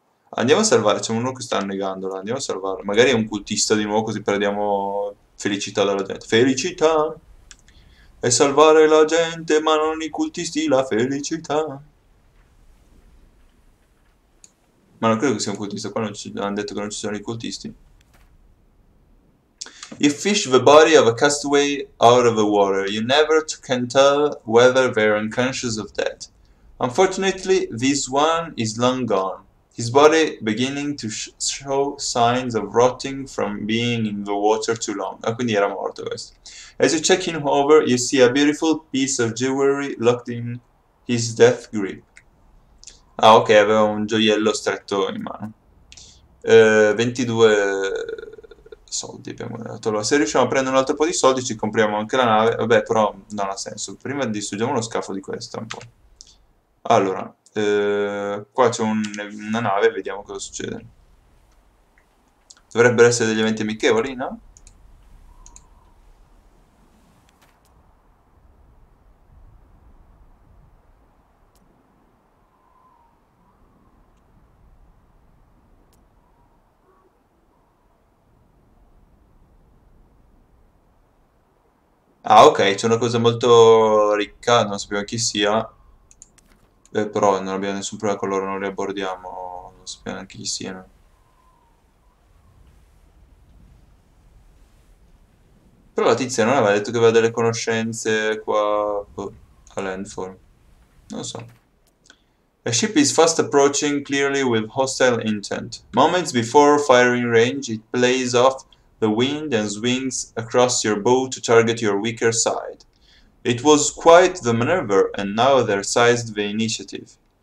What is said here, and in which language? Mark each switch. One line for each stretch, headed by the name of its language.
Italian: Andiamo a salvare, c'è uno che sta annegandola, andiamo a salvare. Magari è un cultista di nuovo, così perdiamo felicità dalla gente. Felicità! E salvare la gente, ma non i cultisti, la felicità. Ma non credo che sia un cultista, qua non ci hanno detto che non ci sono i cultisti.
English: You fish the body of a castaway out of the water. You never can tell whether they're unconscious of that. Unfortunately, this one is long gone. His body beginning to show signs of rotting from being in the water too long.
Italian: Ah, quindi era morto questo.
English: As you check him over, you see a beautiful piece of jewelry locked in his death grip.
Italian: Ah, ok, aveva un gioiello stretto in mano. 22 soldi abbiamo dato. Allora, se riusciamo a prendere un altro po' di soldi, ci compriamo anche la nave. Vabbè, però non ha senso. Prima distruggiamo lo scafo di questo un po'. Allora, qua c'è una nave, vediamo cosa succede. Dovrebbero essere degli eventi amichevoli, no? Ah, ok, c'è una cosa molto ricca, non sappiamo chi sia. Però non abbiamo nessun problema con loro, non li abbordiamo, non sappiamo neanche chi siano. Però la tizia non aveva detto che aveva delle conoscenze qua, boh, a Landfall. Non so.
English: A ship is fast approaching clearly with hostile intent. Moments before firing range, it plays off the wind and swings across your bow to target your weaker side. It was quite the maneuver, and now they're seized the initiative.